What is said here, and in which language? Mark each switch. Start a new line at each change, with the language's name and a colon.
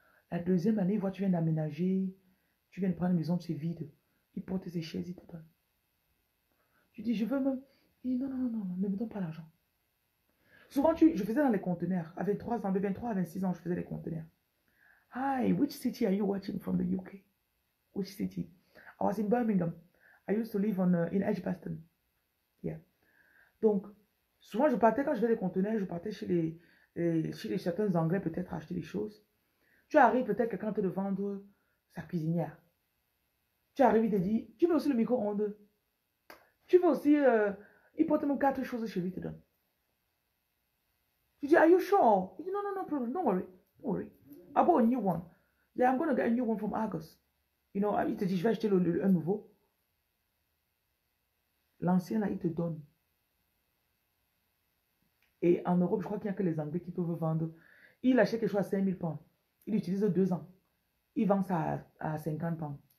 French: La deuxième année, il voit, tu viens d'aménager. Tu viens de prendre une maison, c'est vide. Il porte ses chaises, il te donne. Tu dis, je veux même. Il dit, non, ne me donne pas l'argent. Souvent, je faisais dans les conteneurs. À 23 ans, de 23 à 26 ans, je faisais les conteneurs.
English: Hi, which city are you watching from the UK? Which city? I was in Birmingham. I used to live in Edgbaston. Yeah.
French: Donc, souvent, je partais, quand je vais les conteneurs, je partais chez certains Anglais, peut-être acheter des choses. Tu arrives, peut-être quelqu'un te vendre sa cuisinière. Tu arrives, il te dit, tu veux aussi le micro-ondes? Tu veux aussi, il porte même quatre choses chez lui, il te donne. Tu dis,
English: are you sure?
French: Il dit, non,
English: no problem, don't worry, don't worry. I bought a new one. Yeah, I'm going to get a new one from August.
French: Il te dit, je vais acheter un nouveau. L'ancien, là, il te donne. Et en Europe, je crois qu'il n'y a que les Anglais qui peuvent vendre. Il achète quelque chose à 5 000 pounds. Il utilise 2 ans. Il vend ça à 50 pounds.